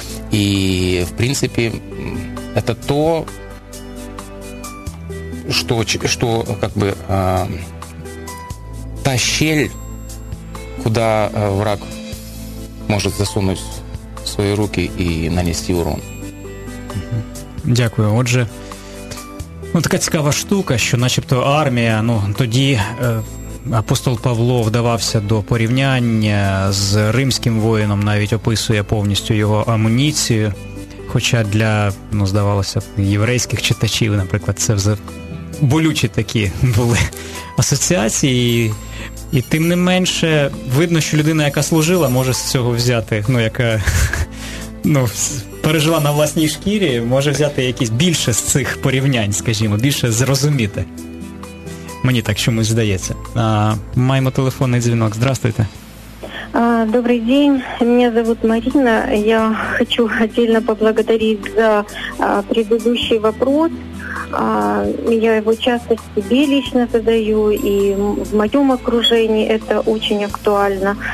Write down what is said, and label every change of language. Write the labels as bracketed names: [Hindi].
[Russian] И, в принципе, это то, что как бы та щель, куда враг может засунуть свои руки и нанести урон. [Ukrainian] Дякую. Отже, Ну, така цікава штука, що начебто армія, ну, тоді апостол Павло вдавався до порівняння з римським воїном, навіть описує повністю його амуніцію. Хоча для, ну, здавалося б, єврейських читачів, наприклад, це вже болючі такі були асоціації. І тим не менше, видно, що людина, яка служила, може з цього взяти, ну, яка, ну, пережила на власній шкірі, може взяти якісь більше з цих порівнянь, скажімо, більше зрозуміти. Мені так чомусь здається. Маємо телефонний дзвінок. [Russian] Здравствуйте. Добрый день, меня зовут Марина. Я хочу отдельно поблагодарить за предыдущий вопрос. Я его часто себе лично задаю, и в моем окружении это очень актуально.